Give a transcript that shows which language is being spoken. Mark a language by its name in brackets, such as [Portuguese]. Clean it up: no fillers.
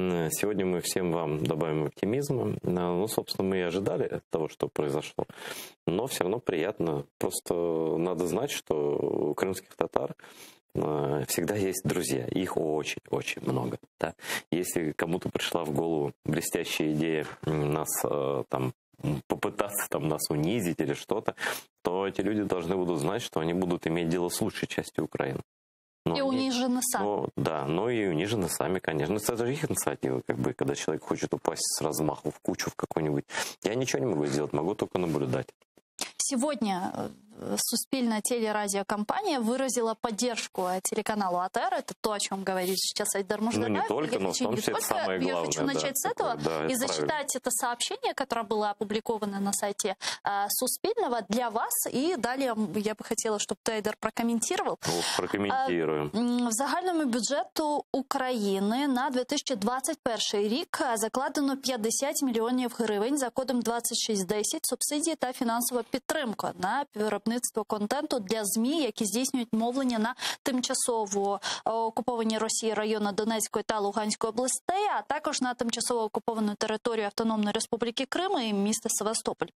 [Ukrainian] Сьогодні ми всім вам добавимо оптимізму. [Russian] Ну, собственно, ми і ожидали того, що произошло. Но все равно приятно. Просто надо знать, что у крымских татар всегда есть друзья. Их очень-очень много. Да? Если кому-то пришла в голову блестящая идея нас там попытаться там нас унизить или что-то, то эти люди должны будут знать, что они будут иметь дело с лучшей частью Украины. Но и унижены сами. Ну, да, но и унижены сами, конечно. Это же их инициатива, как бы, когда человек хочет упасть с размаху в кучу в какую-нибудь. Я ничего не могу сделать, могу только наблюдать. Сегодня [Ukrainian] Суспільна телерадіокомпанія виразила [Russian] поддержку телеканалу АТР. Это то, о чем говорит сейчас Айдар Муждабаев. Ну, не только, но в том числе это самое главное. Я хочу начать с этого и зачитать это сообщение, которое было опубликовано на сайте Суспільного для вас. И далее я бы хотела, чтобы ты, Айдар, прокомментировал. Прокомментируем. [Ukrainian] В загальному бюджету Украины на 2021 рік закладено 50 мільйонів гривень за кодом 2610 субсидії та фінансова підтримка на виробництво контенту для ЗМІ, які здійснюють мовлення на тимчасово окуповані Росії району Донецької та Луганської областей, а також на тимчасово окуповану територію Автономної Республіки Крим і міста Севастополь.